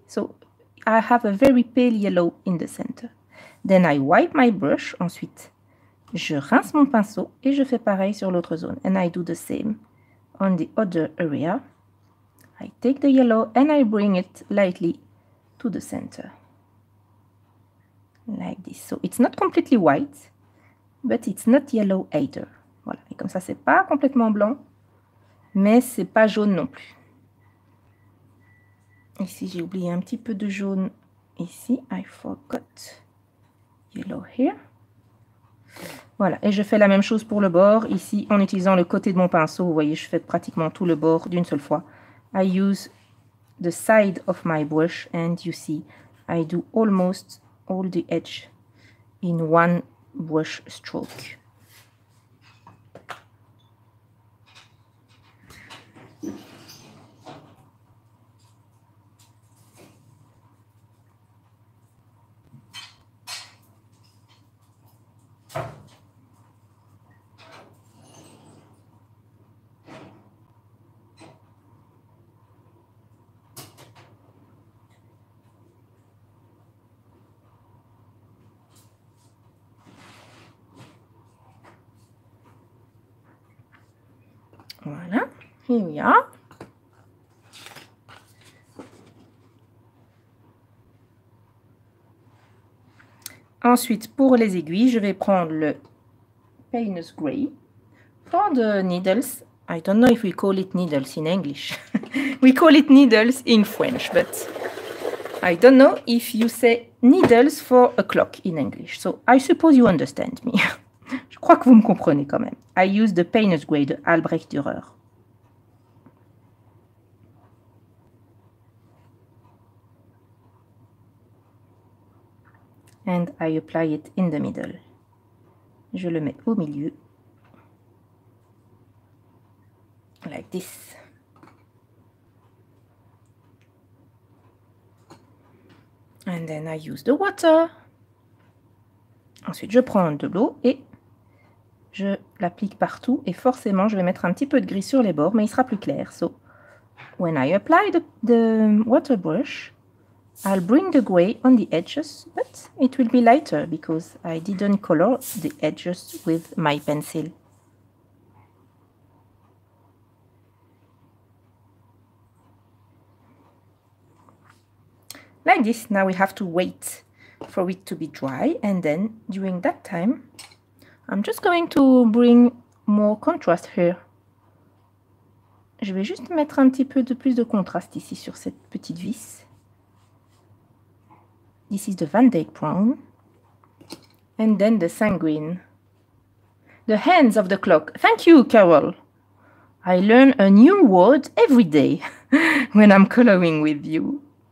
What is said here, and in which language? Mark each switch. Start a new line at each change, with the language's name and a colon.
English: So, I have a very pale yellow in the center. Then I wipe my brush.
French: Ensuite, je rince mon pinceau et je fais pareil sur l'autre zone.
English: And I do the same on the other area. I take the yellow and I bring it lightly to the center. Like this. So it's not completely white, but it's not yellow either.
French: Voilà. Et comme ça, c'est pas complètement blanc, mais c'est pas jaune non plus. Ici, j'ai oublié un petit peu de jaune. Ici,
English: I forgot yellow here.
French: Voilà. Et je fais la même chose pour le bord. Ici, en utilisant le côté de mon pinceau, vous voyez, je fais pratiquement tout le bord d'une seule fois.
English: I use the side of my brush, and you see, I do almost all the edge in one brush stroke. Voilà. Here we are.
French: Ensuite, pour les aiguilles, je vais prendre le Painter's Gray.
English: For the needles, I don't know if we call it needles in English. We call it needles in French, but I don't know if you say needles for a clock in English. So I suppose you understand me.
French: Je crois que vous me comprenez quand même.
English: I use the Painter's Gray de Albrecht Dürer. And I apply it in the middle.
French: Je le mets au milieu.
English: Like this. And then I use the water.
French: Ensuite, je prends de l'eau et je l'applique partout. Et forcément, je vais mettre un petit peu de gris sur les bords, mais il sera plus clair.
English: So, when I apply the water brush, I'll bring the gray on the edges, but it will be lighter because I didn't color the edges with my pencil. Like this, now we have to wait for it to be dry, and then during that time, I'm just going to bring more contrast here.
French: Je vais juste mettre un petit peu de plus de contraste ici sur cette petite vis.
English: This is the Van Dyke brown, and then the sanguine. The hands of the clock. Thank you, Carol. I learn a new word every day when I'm coloring with you.